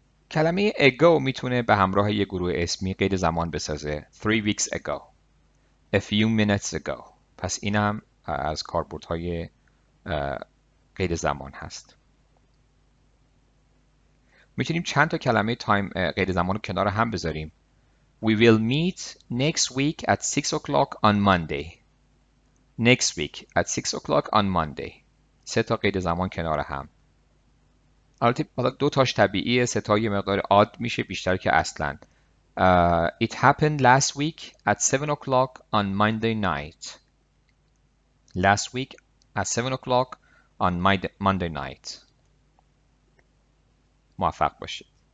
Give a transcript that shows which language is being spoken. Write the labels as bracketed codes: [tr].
[fa] کلمه ago میتونه به همراه یک گروه اسمی قید زمان بسازه. [en] 3 weeks ago. A few minutes ago. [fa] پس این هم از کاربردهای قید زمان هست. میتونیم چند تا کلمه تایم قید زمان رو کنار هم بذاریم. [en] We will meet next week at 6 o'clock on Monday. Next week at 6 o'clock on Monday. [fa] سه تا قید زمان کنار هم. البته دو تاش طبیعیه، سه تا یه مقدار عاد میشه بیشتر که اصلاً. [en] It happened last week at 7 o'clock on Monday night. Last week at 7 o'clock on Monday night. [fa] موفق باشید.